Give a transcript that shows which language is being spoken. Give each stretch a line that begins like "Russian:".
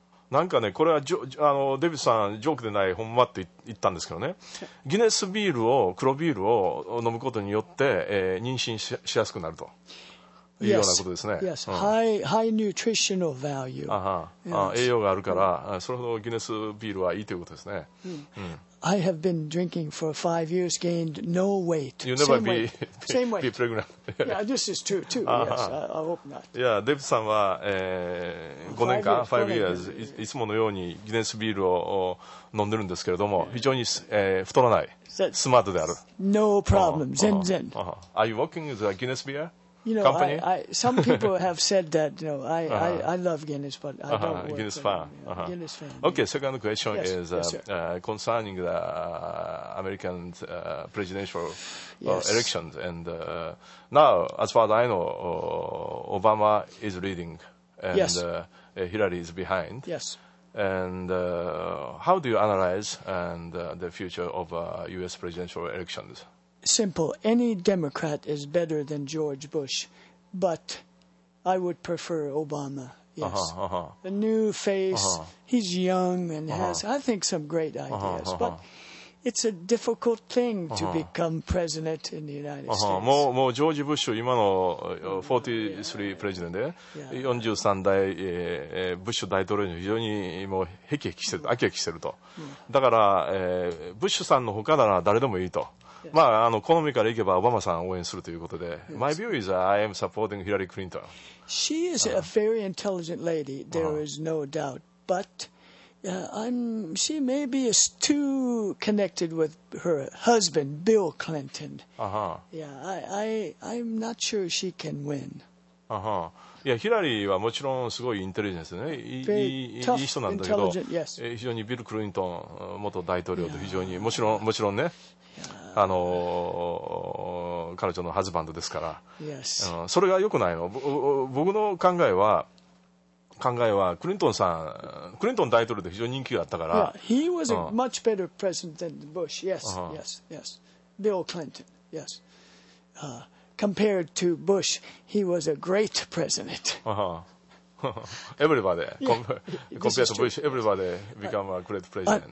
Japanese: なんかね、これはデビッドさんジョークでないほんまって言ったんですけどね、ギネスビールを黒ビールを飲むことによって、妊娠しやすくなるというようなことですね。
English: Yes. High nutritional value. Aha. Yes.
Japanese: 栄養があるから、それほどギネスビールはいいということですね。
English: I have been drinking for 5 years, gained no weight. You never be pregnant. Yeah, this is true too. Yes, I hope not.
Japanese: Yeah, デビッドさんは、
English: 5 years,
Japanese: いつものようにギネスビールを飲んでるんですけれども、非常に、太らない、スマートである。
English: No problem,
Japanese: 全然。
English: Are you working with a Guinness beer? You know, company? Some people have said that, you know, I love Guinness, but I don't work Guinness fan. Yeah, Guinness fan. Okay, second question concerning the American presidential elections. And now, as far as I know, Obama is leading and Hillary is behind. Yes. And how do you analyze and the future of U.S. presidential elections? Simple. Any Democrat is better than George Bush, but I would prefer Obama. Yes. A new face. He's young and has, I think, some great ideas. But it's a difficult thing to become president in the United States.
Japanese: もうジョージ・ブッシュ、今の43プレジデントで、43代、ブッシュ大統領に非常にもうヘキヘキしてると。だから、ブッシュさんの他なら誰でもいいと。まあ、あの好みからいけばオバマさんを応援するということで、yes.
English: My view is I am supporting Hillary Clinton. She is a very intelligent lady, there is no doubt. But she may be too connected with her husband, Bill Clinton. I'm not sure she can win.
Japanese: いや、ヒラリーはもちろんすごいインテリジェンスね、いい人なんだけど、
English: yes.
Japanese: 非常にビル・クリントン元大統領と非常に、yeah. もちろんね、yeah. 彼女のハズバンドですから、
English: yes.
Japanese: それが良くないの。僕の考えはクリントンさん、クリントン大統領で非常に人気があったから、
English: yeah. He was a much better president than Bush. Yes, yes, yes. Bill Clinton. Yes. Compared to Bush, he was a great president. Everybody, compared to Bush, everybody became a great president.